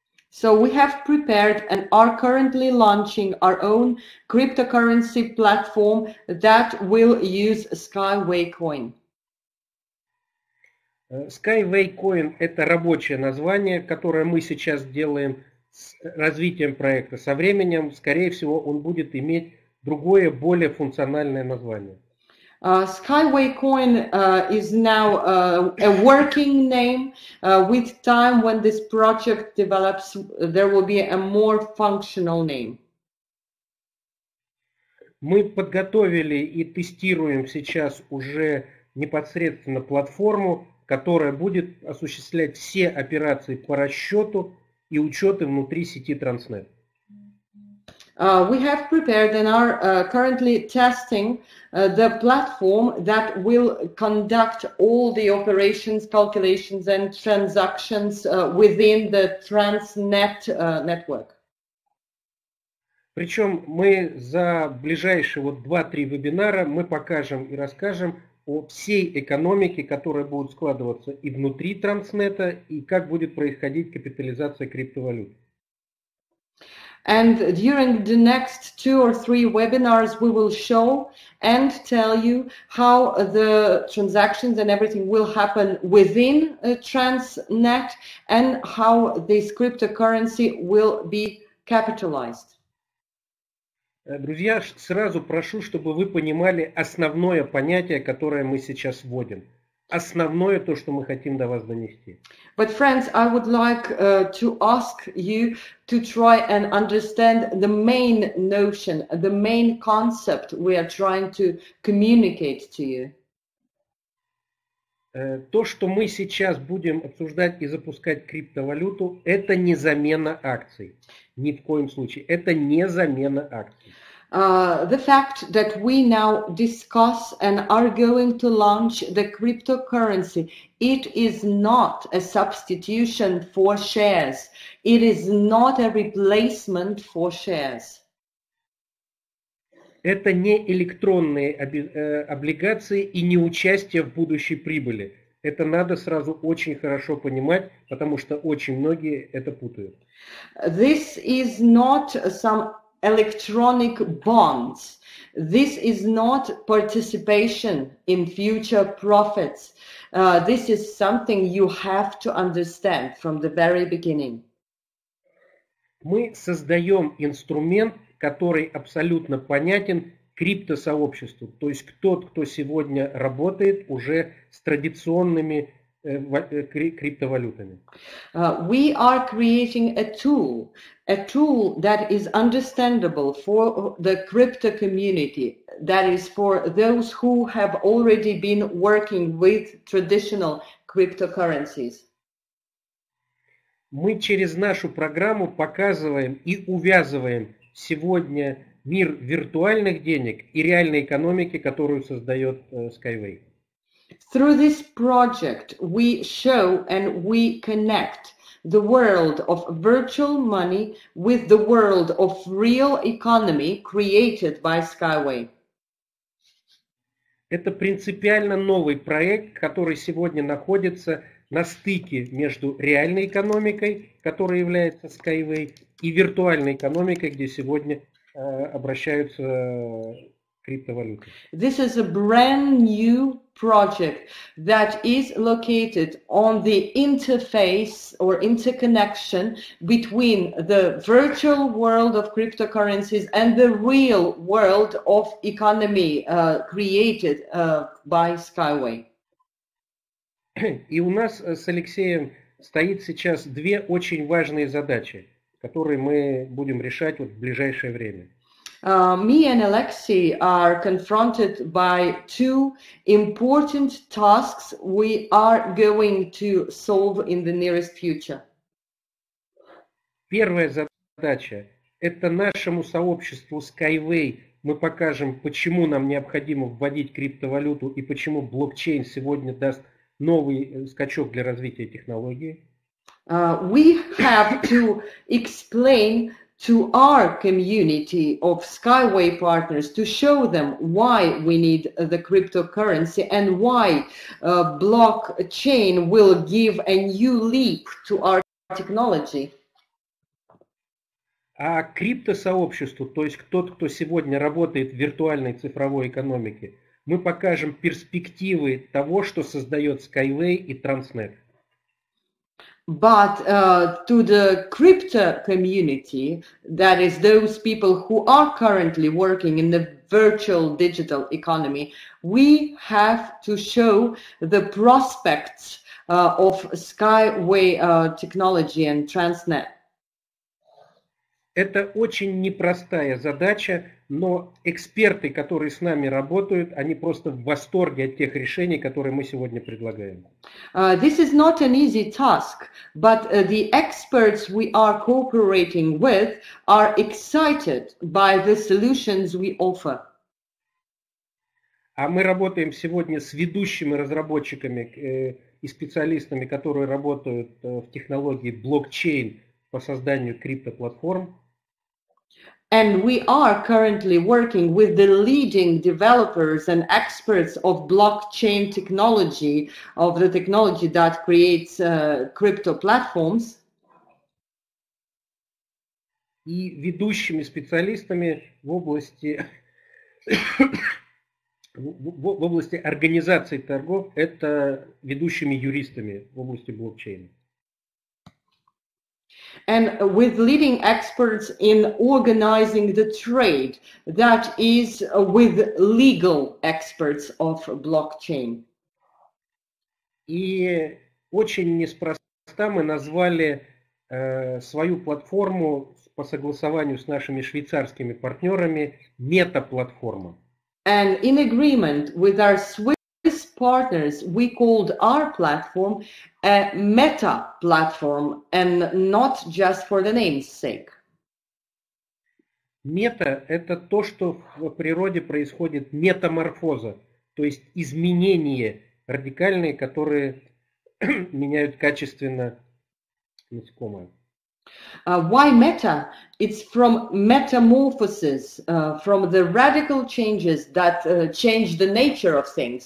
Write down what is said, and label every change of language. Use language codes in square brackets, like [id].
[en] So we have prepared and are currently launching our own cryptocurrency platform that will use Skyway Coin. [ru] Skyway Coin – это рабочее название, которое мы сейчас делаем с развитием проекта. Со временем, скорее всего, он будет иметь другое, более функциональное название. [en] Skyway Coin is now a working name. With time, when this project develops, there will be a more functional name. [ru] Мы подготовили и тестируем сейчас уже непосредственно платформу, которая будет осуществлять все операции по расчету и учету внутри сети Transnet. [en] We have prepared and are currently testing the platform that will conduct all the operations, calculations and transactions within the Transnet network. [ru] Причем мы за ближайшие вот 2-3 вебинара мы покажем и расскажем о всей экономике, которая будет складываться и внутри Транснета, и как будет происходить капитализация криптовалют. [en] And during the next 2 or 3 webinars, we will show and tell you how the transactions and everything will happen within Transnet and how this cryptocurrency will be capitalized. [ru] Друзья, сразу прошу, чтобы вы понимали основное понятие, которое мы сейчас вводим. Основное то, что мы хотим до вас донести. [en] But friends, I would like to ask you to try and understand the main notion, the main concept we are trying to communicate to you. [ru] То, что мы сейчас будем обсуждать и запускать криптовалюту, это не замена акций. Ни в коем случае. Это не замена акций. [en] The fact that we now discuss and are going to launch the cryptocurrency, it is not a substitution for shares. It is not a replacement for shares. [ru] Это не электронные облигации и не участие в будущей прибыли. Это надо сразу очень хорошо понимать, потому что очень многие это путают. [en] This is not some electronic bonds. This is not participation in future profits. This is something you have to understand from the very beginning. [ru] Мы создаем инструмент, который абсолютно понятен криптосообществу, то есть тот, кто сегодня работает уже с традиционными криптовалютами. [en] We are creating a tool that is understandable for the crypto community, that is for those who have already been working with traditional cryptocurrencies. [ru] Мы через нашу программу показываем и увязываем сегодня мир виртуальных денег и реальной экономики, которую создает Skyway. [en] Through this project, we show and we connect the world of virtual money with the world of real economy created by Skyway. [ru] Это принципиально новый проект, который сегодня находится на стыке между реальной экономикой, которая является Skyway, и виртуальной экономикой, где сегодня обращаются криптовалюты. [en] This is a brand new project that is located on the interface or interconnection between the virtual world of cryptocurrencies and the real world of economy created by Skyway. [ru] И у нас с Алексеем стоит сейчас две очень важные задачи, которые мы будем решать вот в ближайшее время. [en] Me and Alexei are confronted by two important tasks we are going to solve in the nearest future. [ru] Первая задача – это нашему сообществу Skyway мы покажем, почему нам необходимо вводить криптовалюту и почему блокчейн сегодня даст новый скачок для развития технологии. [en] We have to explain to our community of Skyway partners to show them why we need the cryptocurrency and why blockchain will give a new leap to our technology. [ru] А криптосообществу, то есть тот, кто сегодня работает в виртуальной цифровой экономике, мы покажем перспективы того, что создает Skyway и Transnet. [en] But to the crypto community, that is those people who are currently working in the virtual digital economy, we have to show the prospects of Skyway technology and Transnet. [ru] Это очень непростая задача, но эксперты, которые с нами работают, они просто в восторге от тех решений, которые мы сегодня предлагаем. [en] This is not an easy task, but the experts we are cooperating with are excited by the solutions we offer. [ru] А мы работаем сегодня с ведущими разработчиками и специалистами, которые работают в технологии блокчейн по созданию криптоплатформ. [en] And we are currently working with the leading developers and experts of blockchain technology, of the technology that creates crypto platforms. [ru] И ведущими специалистами в области в области организации торгов, это ведущими юристами в области блокчейна. [en] And with leading experts in organizing the trade, that is with legal experts of blockchain. [ru] И очень неспроста мы назвали свою платформу по согласованию с нашими швейцарскими партнерами мета-платформа. [en] And in agreement with our Swiss partners, we called our platform a meta platform, and not just for the name's sake. [ru] Мета – это то, что в природе происходит метаморфоза, то есть изменения радикальные, которые меняют качественно насекомое. [en] Why meta? It's from metamorphosis, from the radical changes that change the nature of things.